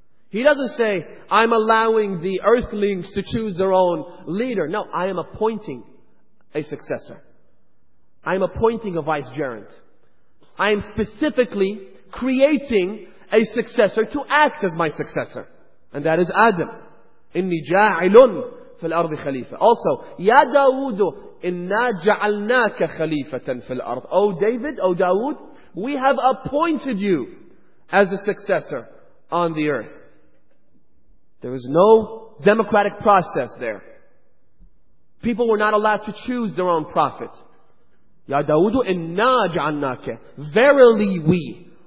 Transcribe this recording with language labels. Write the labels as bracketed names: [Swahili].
[English] He doesn't say, I'm allowing the earthlings to choose their own leader. No, I am appointing a successor. I'm appointing a vicegerent. I am specifically creating a successor to act as my successor. And that is Adam. [Arabic] إِنِّي جَاعِلٌ فِي الْأَرْضِ خَلِيفَةً. [English] Also, [Arabic] يَا دَاوُدُ إِنَّا جَعَلْنَاكَ خَلِيفَةً فِي الْأَرْضِ. [English] O David, O Dawood, we have appointed you as a successor on the earth. There was no democratic process there. People were not allowed to choose their own prophet. [Arabic] Ya Dawoodu inna ja'annaka. [English] Verily we.